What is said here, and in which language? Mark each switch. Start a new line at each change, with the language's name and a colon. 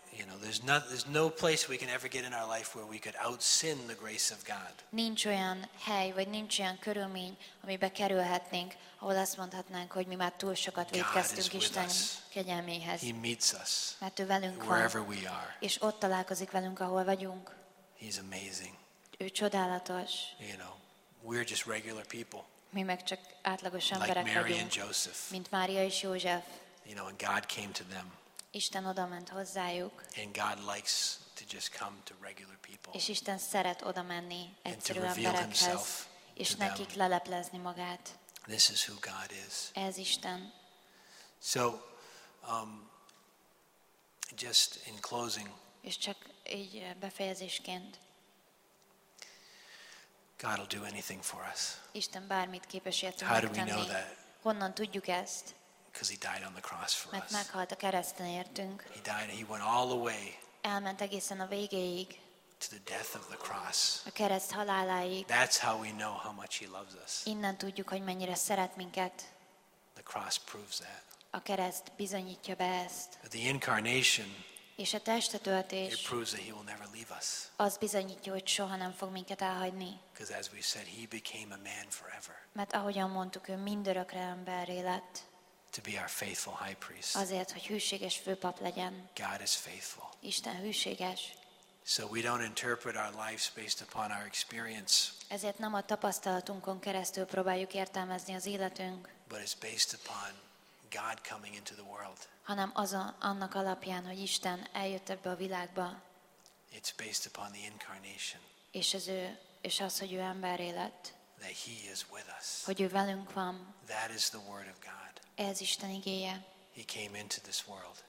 English: You know, there's no place we can ever get in our life where we could out-sin the grace of God.
Hungarian: Nincs olyan hely, vagy nincs olyan körülmény, amibe kerülhetnénk, ahol azt mondhatnánk, hogy mi már túl sokat vétkeztünk Isten kegyelméhez.
English: He meets us.
Hungarian: Mert ő velünk van.
English: Wherever we are.
Hungarian: És ott találkozik velünk, ahol vagyunk.
English: He's amazing.
Hungarian: Ő csodálatos.
English: You know, we're just regular people.
Hungarian: Mi meg csak átlagos emberek
English: like Mary
Hungarian: vagyunk,
English: and Joseph.
Hungarian: Mint Mária és József.
English: You know, and God came to them.
Hungarian: Isten odament hozzájuk.
English: And God likes to just come to regular people.
Hungarian: És Isten szeret odamenni egyszerű emberekhez, és nekik leleplezni magát.
English: This is who God is.
Hungarian: Ez Isten.
English: So, just in closing.
Hungarian: És csak így befejezésként.
English: God will do anything for us.
Hungarian: Isten bármit képes értünk.
English: How do we know that?
Hungarian: Honnan tudjuk ezt?
English: Because he died on the cross for
Hungarian: mert
English: us.
Hungarian: Meghalt a kereszten értünk.
English: He died and he went all the way.
Hungarian: Elment egészen a végéig.
English: To the death of the cross.
Hungarian: A kereszt haláláig.
English: That's how we know how much he loves us.
Hungarian: Innen tudjuk, hogy mennyire szeret minket.
English: The cross proves that.
Hungarian: A kereszt bizonyítja be ezt.
English: But the incarnation.
Hungarian: És a testetöltés.
English: It proves that he will never leave us.
Hungarian: Az bizonyítja, hogy soha nem fog minket elhagyni.
English: Because as we said, he became a man forever.
Hungarian: Mert ahogyan mondtuk, ő mindörökre emberré lett.
English: To be our faithful high priest.
Hungarian: Azért, hogy hűséges főpap legyen.
English: God is faithful.
Hungarian: Isten hűséges.
English: So we don't interpret our lives based upon our experience.
Hungarian: Ezért nem a tapasztalatunkon keresztül próbáljuk értelmezni az életünk.
English: But it's based upon God coming into the world.
Hungarian: Hanem az annak alapján, hogy Isten eljött ebbe a világba.
English: It's based upon the incarnation.
Hungarian: És az ő, és az, hogy ő emberré lett.
English: That he is with us.
Hungarian: Hogy ő velünk van.
English: That is the word of God.
Hungarian: Ez Isten igéje.
English: He came into this world.